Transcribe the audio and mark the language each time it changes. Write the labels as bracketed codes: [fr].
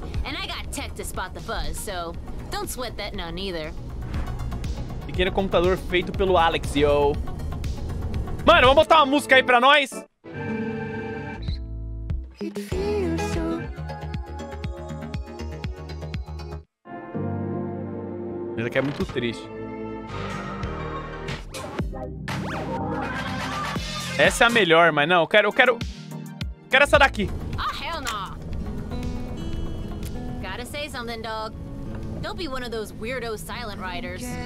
[en] And I got tech to spot the buzz, so don't sweat that none either. [pt] Pequeno computador feito pelo Alex, yo. Mano, vamos botar uma música aí pra nós? Isso aqui é muito triste. Essa é a melhor, mas não, eu quero essa daqui. [en] Oh, hell no. Gotta say something, dog. Don't be one of those weirdo silent riders.